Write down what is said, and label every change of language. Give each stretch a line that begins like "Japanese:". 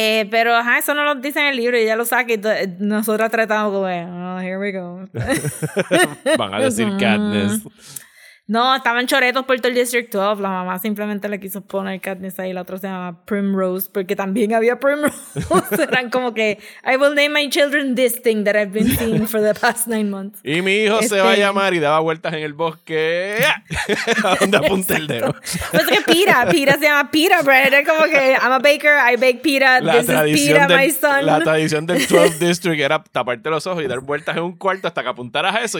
Spanish: Pero ajá, eso no lo dice en el libro, ella lo saca y nosotras tratamos como,
English: oh, here we go.
Spanish: Van a decir Katniss. No, estaban choretos por todo el District 12. La mamá simplemente le quiso poner Katniss ahí. La otra se llama Primrose, porque también había Primrose. Eran como que,
English: I will name my children this thing that I've been seeing for the past 9 months.
Spanish: Y mi hijo se va a llamar, y daba vueltas en el bosque. ¿A dónde apunta el dedo? Pues que pita. Pita se llama pita, bread. Era como que,
English: I'm a baker, I bake pita. This tradición is pita,
Spanish: del,
English: my son.
Spanish: La tradición del 12th District era taparte los ojos y dar vueltas en un cuarto hasta que apuntaras a eso.